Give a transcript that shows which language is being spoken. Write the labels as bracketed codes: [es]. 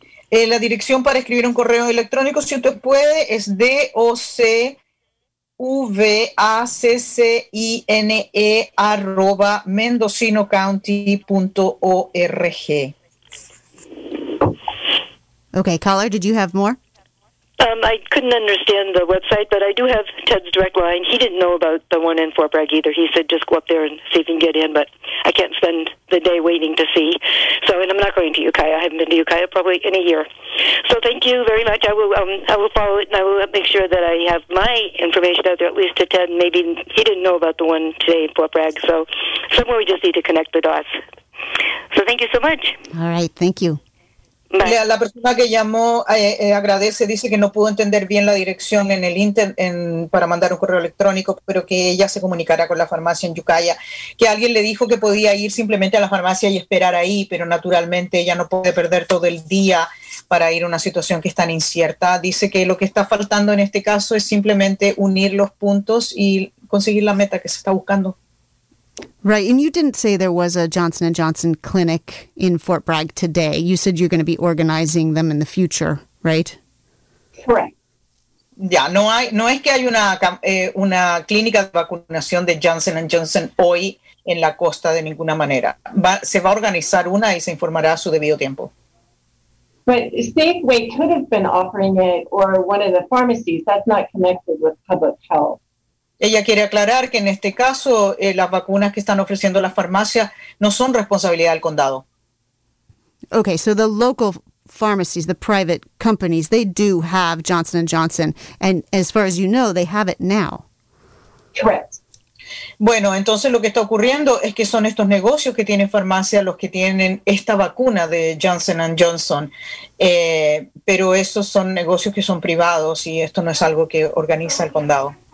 [es] La dirección para escribir un correo electrónico, si usted puede, es docvaccine@mendocinocounty.org. [en] Okay, caller, did you have more? I couldn't understand the website, but I do have Ted's direct line. He didn't know about the one in Fort Bragg either. He said just go up there and see if you can get in, but I can't spend the day waiting to see. So, and I'm not going to Ukiah. I haven't been to Ukiah probably in a year. So thank you very much. I will follow it, and I will make sure that I have my information out there, at least to Ted. Maybe he didn't know about the one today in Fort Bragg. So somewhere we just need to connect the dots. So thank you so much. All right, thank you. [es] La persona que llamó agradece, dice que no pudo entender bien la dirección en el para mandar un correo electrónico, pero que ella se comunicara con la farmacia en Ukiah, que alguien le dijo que podía ir simplemente a la farmacia y esperar ahí, pero naturalmente ella no puede perder todo el día para ir a una situación que es tan incierta. Dice que lo que está faltando en este caso es simplemente unir los puntos y conseguir la meta que se está buscando. [en] Right, and you didn't say there was a Johnson & Johnson clinic in Fort Bragg today. You said you're going to be organizing them in the future, right? Correct. [es] Yeah, no es que hay una clínica de vacunación de Johnson & Johnson hoy en la costa de ninguna manera. Se va a organizar una y se informará a su debido tiempo. [en] But Safeway could have been offering it, or one of the pharmacies. That's not connected with public health. [es] Ella quiere aclarar que en este caso las vacunas que están ofreciendo las farmacias no son responsabilidad del condado. [en] Okay, so the local pharmacies, the private companies, they do have Johnson & Johnson. And as far as you know, they have it now. Correct. [es] Bueno, entonces lo que está ocurriendo es que son estos negocios que tienen farmacia los que tienen esta vacuna de Johnson & Johnson. Pero esos son negocios que son privados y esto no es algo que organiza el condado.